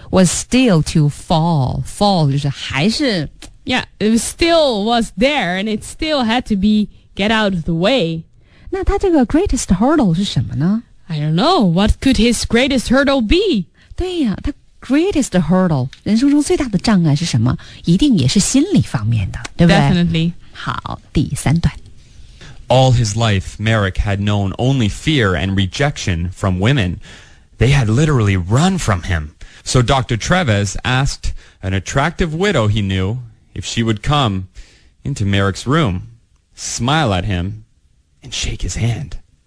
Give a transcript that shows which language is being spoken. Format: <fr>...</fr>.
<en>Was still to fall. Fall</en> <zh>就是还是。</zh> <en>Yeah, it still was there, and it still had to be get out of the way.</en> <zh>那他这个</zh> <en>greatest hurdle</en> <zh>是什么呢？</zh> <en>I don't know, what could his greatest hurdle be?</en> <zh>对呀，他</zh> <en>greatest hurdle,</en> <zh>人生中最大的障碍是什么？一定也是心理方面的，对不对？</zh> <en>Definitely.</en> <zh>好，第三段。</zh> <en>All his life, Merrick had known only fear and rejection from women. They had literally run from him. So Dr. Treves asked an attractive widow he knew if she would come into Merrick's room, smile at him, and shake his hand.</en>